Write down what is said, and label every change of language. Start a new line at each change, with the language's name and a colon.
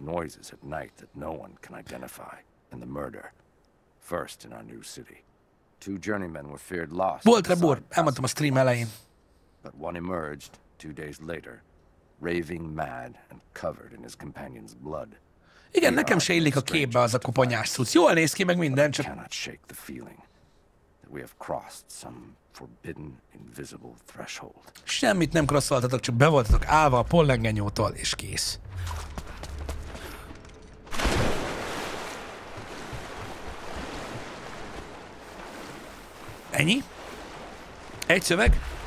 English: Noises at night that no one can identify, and the murder, first in our new city. Two journeymen were feared lost.
Hungarian: Volt Rebor, elmondtam a stream elején.
English: But one emerged 2 days later, raving mad and covered in his companion's blood.
Hungarian: Igen, nekem se illik a képbe az a koponyás cucc. Jól néz ki, meg minden, csak...
English: cannot shake the feeling that we have crossed some forbidden, invisible threshold.
Hungarian: Semmit nem crossoltatok, csak bevoltatok állva a pollengenyótól, és kész. Ennyi? Egy szöveg?